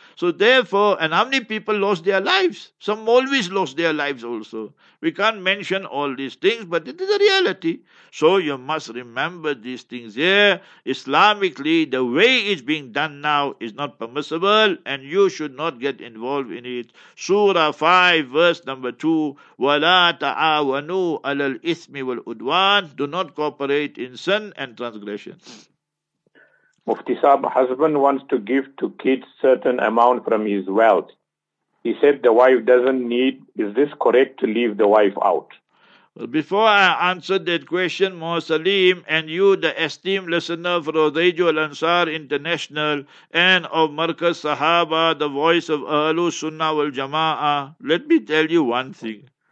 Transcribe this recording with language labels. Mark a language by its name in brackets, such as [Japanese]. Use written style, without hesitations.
[English] So therefore, and how many people lost their lives? Some always lost their lives also. We can't mention all these things, but it is a reality. So you must remember these things here. Islamically, the way it's being done now is not permissible, and you should not get involved in it. Surah 5, verse number 2, [Arabic] وَلَا تَعَوَنُوا عَلَى الْإِثْمِ وَالْعُدْوَانِ. [English] Do not cooperate in sin and transgression. Mufti Saab, husband wants to give to kids certain amount from his wealth. He said the wife doesn't need. Is this correct to leave the wife out? Well, before I answer that question, Mo Salim, and you, the esteemed listener for Radio Al-Ansar International and of Markaz Sahaba, the voice of Ahlu Sunnah wal Jama'ah, let me tell you one thing.